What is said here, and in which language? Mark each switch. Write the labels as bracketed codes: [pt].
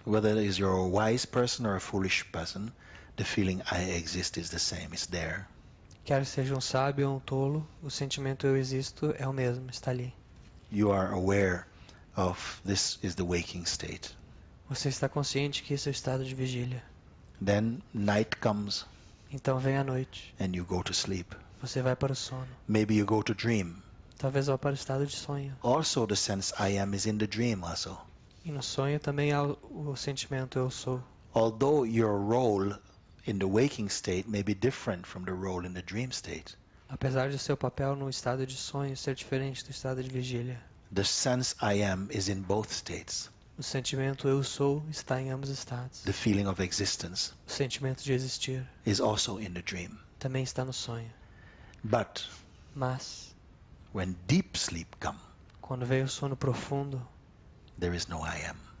[en] Whether it is your wise person or a foolish person, the feeling I exist is the same. It's there. [pt] Quer seja sábio ou tolo, o sentimento eu existo é o mesmo, está ali. [en] You are aware of this is the waking state. [pt] Você está consciente que esse é o estado de vigília. [en] Then night comes. [pt] Então vem a noite. [en] And you go to sleep. [pt] Você vai para o sono. [en] Maybe you go to dream. [pt] Talvez vá para o estado de sonho. [en] Also the sense I am is in the dream also. [pt] E no sonho também há o sentimento eu sou. [en] Although your role in the waking state may be different from the role in the dream state. [pt] Apesar de seu papel no estado de sonho ser diferente do estado de vigília. [en] The sense I am is in both states. [pt] O sentimento eu sou está em ambos estados. [en] The feeling of existence, [pt] o sentimento de existir, [en] is also in the dream. [pt] Também está no sonho. [en] But, [pt] mas, [en] When deep sleep come, [pt] quando vem o sono profundo, [en] there is no I am.